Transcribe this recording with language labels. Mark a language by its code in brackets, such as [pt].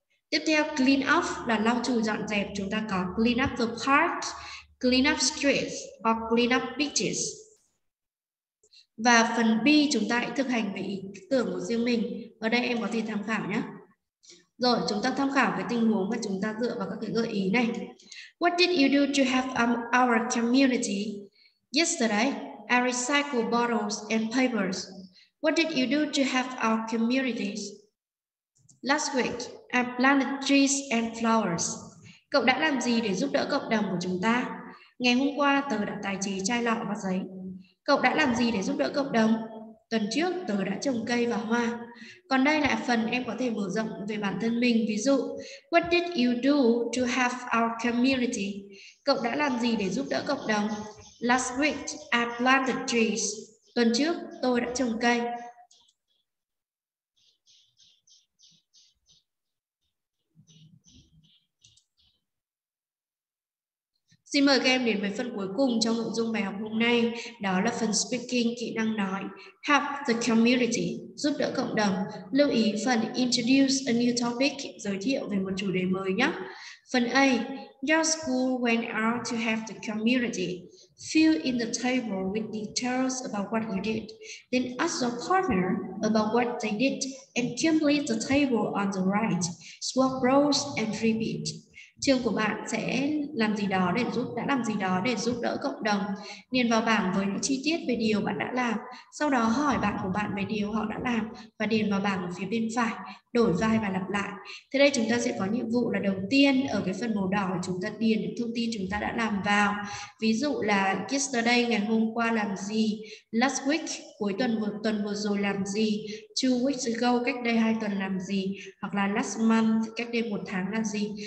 [vi] Tiếp theo [en] clean up [vi] là lau chùi dọn dẹp, chúng ta có [en] clean up the park, clean up streets or clean up beaches. [vi] Và phần B chúng ta hãy thực hành về ý tưởng của riêng mình. Ở đây em có thể tham khảo nhé. Rồi chúng ta tham khảo cái tình huống và chúng ta dựa vào các cái gợi ý này. [en] What did you do to help our community? Yesterday, I recycled bottles and papers. What did you do to help our communities? Last week, I planted trees and flowers. [vi] Cậu đã làm gì để giúp đỡ cộng đồng của chúng ta? Ngày hôm qua, tớ đã tài chế chai lọ và giấy. Cậu đã làm gì để giúp đỡ cộng đồng? Tuần trước, tớ đã trồng cây và hoa. Còn đây là phần em có thể mở rộng về bản thân mình. Ví dụ, [en] what did you do to help our community? [vi] Cậu đã làm gì để giúp đỡ cộng đồng? [en] Last week, I planted trees. [vi] Tuần trước, tôi đã trồng cây. Xin mời các em đến với phần cuối cùng trong nội dung bài học hôm nay. Đó là phần speaking, kỹ năng nói. [en] Help the community, [vi] giúp đỡ cộng đồng. Lưu ý phần [en] introduce a new topic, [vi] giới thiệu về một chủ đề mới nhé. Phần A, [en] your school went out to help the community. Fill in the table with details about what you did. Then ask your partner about what they did and complete the table on the right. Swap roles and repeat. [vi] Trường của bạn sẽ làm gì đó để giúp đã làm gì đó để giúp đỡ cộng đồng, điền vào bảng với những chi tiết về điều bạn đã làm, sau đó hỏi bạn của bạn về điều họ đã làm và điền vào bảng ở phía bên phải, đổi vai và lặp lại. Thế đây chúng ta sẽ có nhiệm vụ là đầu tiên ở cái phần màu đỏ chúng ta điền những thông tin chúng ta đã làm vào, ví dụ là yesterday ngày hôm qua làm gì, [en] last week [vi] cuối tuần vừa rồi làm gì, [en] 2 weeks ago [vi] cách đây 2 tuần làm gì, hoặc là [en] last month [vi] cách đây 1 tháng làm gì.